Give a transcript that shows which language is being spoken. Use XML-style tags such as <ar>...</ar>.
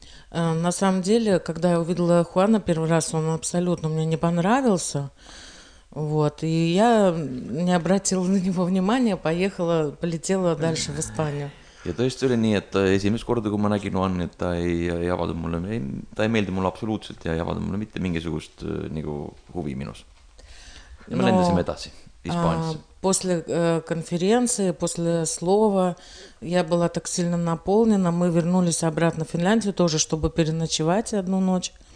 <ru>На самом деле, когда я увидела Хуана первый раз, он абсолютно мне не понравился. Вот, и я не обратила на него внимания, полетела дальше в Испанию.</ru> <et>Ja tõesti oli nii, et esimest korda, kui ma nägin Juan, et ta ei meeldi mulle absoluutselt ja ei avada mulle mitte mingisugust nagu huvi minus. Ja me lendasime edasi Испанию.</et> <ru>После конференции, после слова я была так сильно наполнена, мы вернулись обратно в Финляндию тоже, чтобы переночевать одну ночь.</ru>